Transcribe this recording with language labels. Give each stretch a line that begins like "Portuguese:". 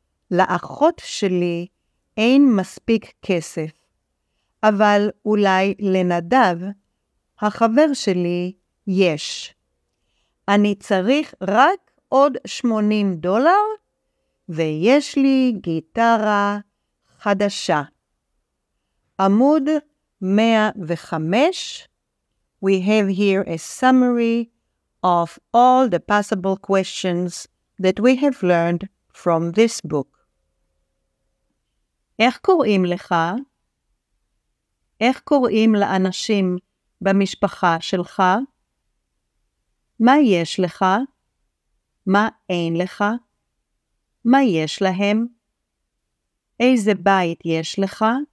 Hebrew: לאחות שלי אין מספיק כסף, אבל אולי לנדב, החבר שלי, יש. אני צריך רק עוד $80, ויש לי גיטרה חדשה. עמוד 105.
English: We have here a summary of all the possible questions that we have learned from this book.
Hebrew: איך קוראים לך? איך קוראים לאנשים במשפחה שלך? מה יש לך? מה אין לך? מה יש להם? איזה בית יש לך?